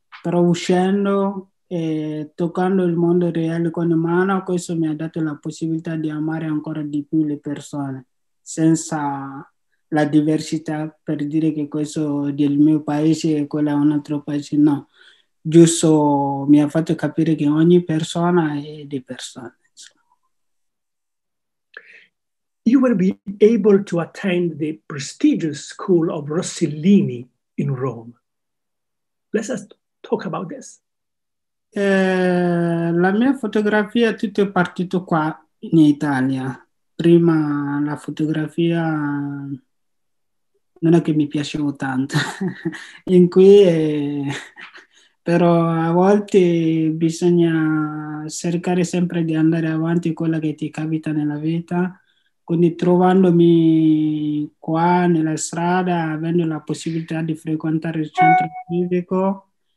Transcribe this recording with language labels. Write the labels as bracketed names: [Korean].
[Italian] Però uscendo e toccando il mondo reale con mano, questo mi ha dato la possibilità di amare ancora di più le persone, senza la diversità, per dire che questo del mio paese e quello è un altro paese, no. Giusto, mi ha fatto capire che ogni persona è di persona. [English] You will be able to attend the prestigious school of Rossellini in Rome. Let's just talk about this. [Italian] La mia fotografia tutto è partito qua in Italia. Prima la fotografia non è che mi piacevo tanto, in qui però a volte bisogna cercare sempre di andare avanti quella che ti capita nella vita, quindi trovandomi qua nella strada, avendo la possibilità di frequentare il centro civico,